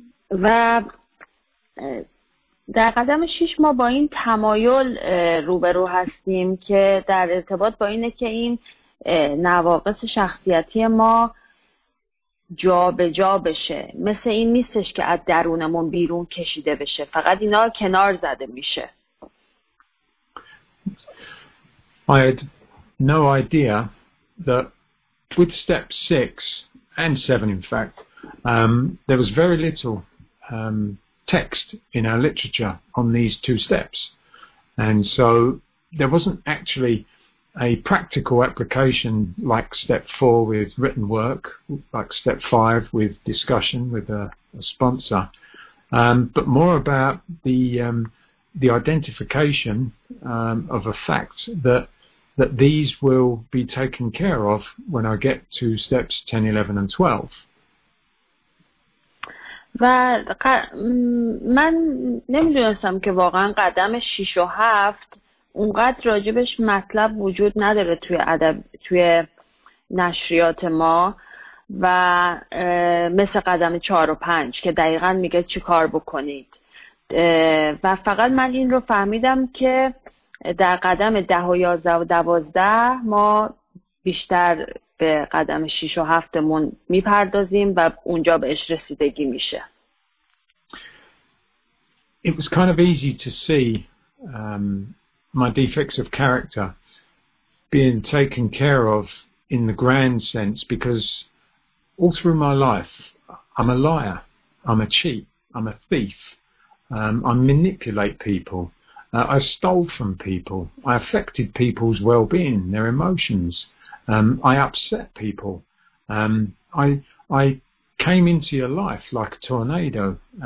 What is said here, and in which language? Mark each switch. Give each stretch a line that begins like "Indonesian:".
Persian: و در قدم 6 ما با این تمایل روبرو هستیم که در ارتباط با اینه که این نواقص شخصیتی ما جا به جا بشه، مثل این نیستش که از درونمون بیرون کشیده بشه، فقط اینا کنار زده میشه.
English: I had no idea that with step 6 and 7 in fact, there was very little text in our literature on these two steps, and so there wasn't actually a practical application like step 4 with written work, like step 5 with discussion with a sponsor, but more about the identification of a fact that these will be taken care of when I get to steps 10, 11 and 12.
Persian: و من نمیدونستم که واقعا قدم 6 و 7 اونقدر راجبش مطلب وجود نداره توی ادب، توی نشریات ما، و مثل قدم 4 و 5 که دقیقا میگه چی کار بکنید. و فقط من این رو فهمیدم که در قدم 10 و 11 و 12 ما بیشتر به قدم 6 و 7 مون میپردازیم و اونجا بهش رسیدگی میشه.
English: It was kind of easy to see my defects of character being taken care of in the grand sense, because all through my life I'm a liar, I'm a cheat, I'm a thief, I manipulate people, I stole from people, I affected people's well-being, their emotions, I upset people, I came into your life like a tornado.